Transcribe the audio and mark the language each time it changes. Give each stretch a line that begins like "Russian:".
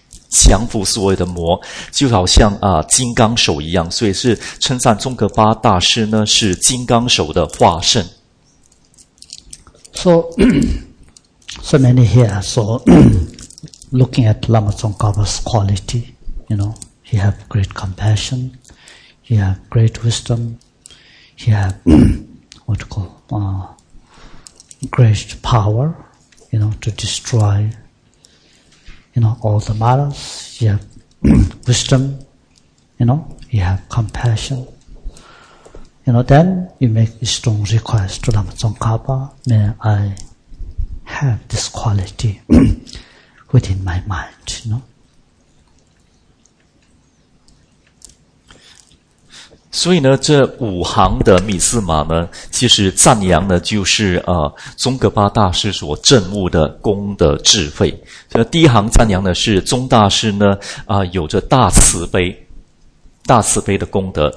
Chinese: 降服所有的魔，就好像金刚手一样，所以是称赞宗噶巴大师呢是金刚手的化身。
English: So many here, so looking at Lama Tsongkhapa's quality, you know, he have great compassion, he have great wisdom, he have what call great power, you know, to destroy. You know, all the maras, you have wisdom, you know, you have compassion. You know, then you make a strong request to Lama Tsongkhapa, may I have this quality within my mind, you know.
Chinese: 所以呢，这五行的米斯玛呢，其实赞扬呢就是宗噶巴大师所证悟的功的智慧。这第一行赞扬的是宗大师呢有着大慈悲的功德。